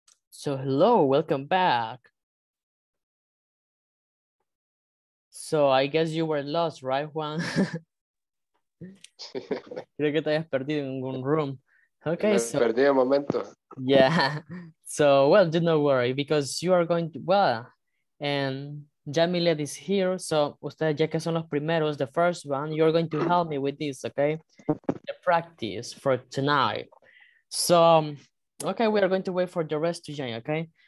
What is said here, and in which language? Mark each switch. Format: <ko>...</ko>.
<en>So hello, welcome back. So I guess you were lost, right, Juan?</en> <es>Creo que te hayas perdido en un</es> <en>room. Okay,</en> <es>me perdí el momento.</es> <en>Yeah. So, well, do not worry, because you are going to, well, and Jamilet is here, so</en> <es>ustedes ya que son los primeros,</es> <en>the first one, you're going to help me with this, okay? The practice for tonight. So, okay, we are going to wait for the rest to join, okay?</en>